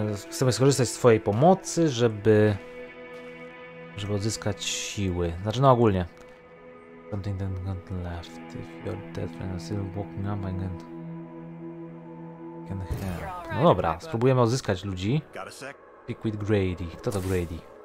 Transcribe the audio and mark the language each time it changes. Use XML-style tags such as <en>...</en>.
<pl>Chcemy skorzystać z twojej pomocy, żeby odzyskać siły. Znaczy, no ogólnie.</pl> <en>Something that got left. If your dead friend is still walking up, I can help.</en> <pl>No dobra, spróbujemy odzyskać ludzi.</pl> <en>Pick with Grady.</en> <pl>Kto to Grady?</pl>